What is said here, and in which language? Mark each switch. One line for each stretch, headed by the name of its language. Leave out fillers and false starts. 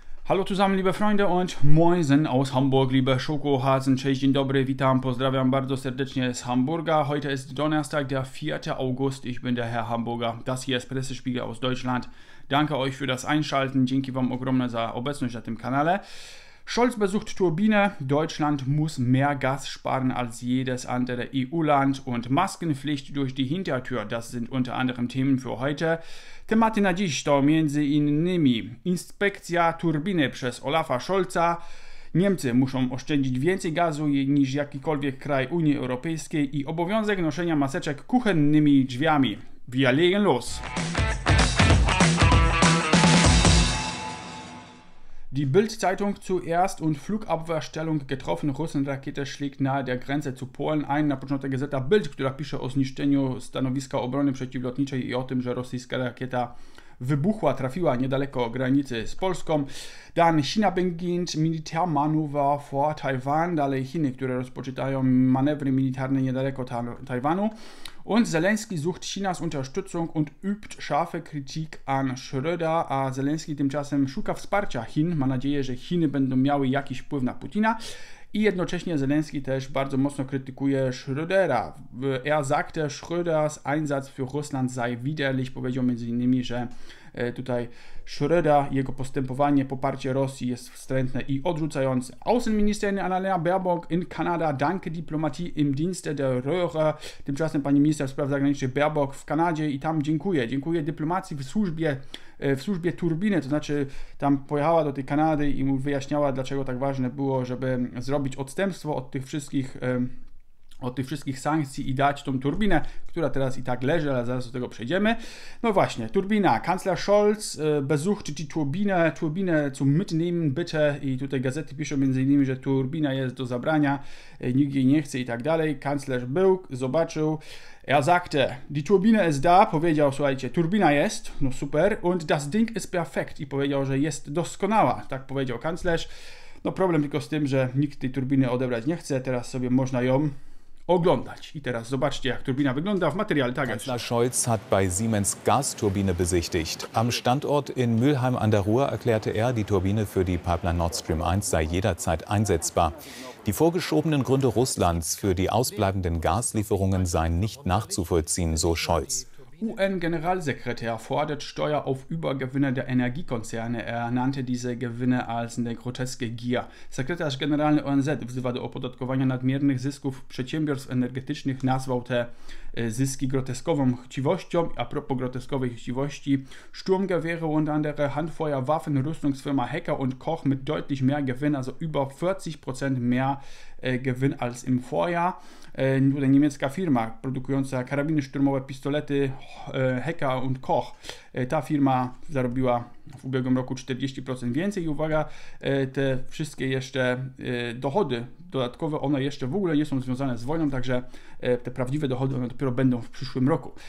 German: Hallo zusammen, liebe Freunde und Moinsen aus Hamburg, liebe Schokohasen.
Polish: Cześć, dzień dobry, witam, pozdrawiam bardzo serdecznie z Hamburga.
German: Heute ist Donnerstag, der 4. August. Ich bin der Herr Hamburger. Das hier ist Pressespiegel aus Deutschland. Danke euch für das Einschalten.
Polish: Dzięki wam ogromne za obecność na tym kanale.
German: Scholz besucht Turbine. Deutschland muss mehr Gas sparen als jedes andere EU-Land. Und Maskenpflicht durch die Hintertür. Das sind unter anderem Themen für heute.
Polish: Tematy na dziś to m.in. inspekcja turbiny przez Olafa Scholza. Niemcy muszą oszczędzić więcej gazu niż jakikolwiek kraj Unii Europejskiej i obowiązek noszenia maseczek kuchennymi drzwiami.
German: Wir legen los! Die Bild-Zeitung zuerst und Flugabwehrstellung getroffen. Russenrakete schlägt nahe der Grenze zu Polen ein.
Polish: Na początek gazeta Bild, która pisze o zniszczeniu stanowiska obrony przeciwlotniczej i o tym, że rosyjska rakieta wybuchła, trafiła niedaleko granicy z Polską.
German: Dann China beginnt Militärmanöver vor Taiwan.
Polish: Dalej Chiny, które rozpoczynają manewry militarne niedaleko Taiwanu.
German: Und Zelensky sucht Chinas Unterstützung und übt scharfe Kritik an Schröder,
Polish: a Zelensky tymczasem szuka wsparcia Chin, ma nadzieję, że Chiny będą miały jakiś wpływ na Putina i jednocześnie Zelensky też bardzo mocno krytykuje Schrödera.
German: Er sagte, Schröders Einsatz für Russland sei widerlich,
Polish: powiedział m.in., że tutaj Schröder, jego postępowanie, poparcie Rosji jest wstrętne i odrzucające.
German: Außenministerin Annalena Baerbock in Kanada, danke Diplomatie im Dienste der Röhre.
Polish: Tymczasem pani minister spraw zagranicznych Baerbock w Kanadzie i tam dziękuję. Dziękuję dyplomacji w służbie turbiny, to znaczy tam pojechała do tej Kanady i mu wyjaśniała, dlaczego tak ważne było, żeby zrobić odstępstwo od tych wszystkich sankcji i dać tą turbinę, która teraz i tak leży, ale zaraz do tego przejdziemy. No właśnie, turbina.
German: Kanzler Scholz besucht die Turbine, Turbinę zum Mitnehmen bitte.
Polish: I tutaj gazety piszą m.in., że turbina jest do zabrania, nikt jej nie chce i tak dalej. Kanzler był, zobaczył.
German: Er sagte, die Turbine ist da,
Polish: powiedział, słuchajcie, turbina jest, no super.
German: Und das Ding ist perfekt.
Polish: I powiedział, że jest doskonała, tak powiedział kanzler. No problem tylko z tym, że nikt tej turbiny odebrać nie chce, teraz sobie można ją oglądać. I teraz zobaczcie, jak turbina wygląda w materiale.
German: Kanzler Scholz hat bei Siemens Gasturbine besichtigt. Am Standort in Mülheim an der Ruhr erklärte er, die Turbine für die Pipeline Nord Stream 1 sei jederzeit einsetzbar. Die vorgeschobenen Gründe Russlands für die ausbleibenden Gaslieferungen seien nicht nachzuvollziehen, so Scholz. UN-Generalsekretär fordert Steuer auf Übergewinne der Energiekonzerne. Er nannte diese Gewinne als eine groteske Gier.
Polish: Sekretarz generalny ONZ wzywa do opodatkowania nadmiernych zysków przedsiębiorstw energetycznych. Nazwał te zyski groteskową chciwością. A propos groteskowej chciwości,
German: Sturmgewehre und andere Handfeuerwaffen, Rüstungsfirma Hecker und Koch mit deutlich mehr Gewinn, also über 40% mehr Gewinn als im Vorjahr.
Polish: Tutaj niemiecka firma produkująca karabiny szturmowe, pistolety Hecker und Koch. Ta firma zarobiła w ubiegłym roku 40% więcej i uwaga, te wszystkie jeszcze dochody dodatkowe, one jeszcze w ogóle nie są związane z wojną, także te prawdziwe dochody one dopiero będą w przyszłym roku.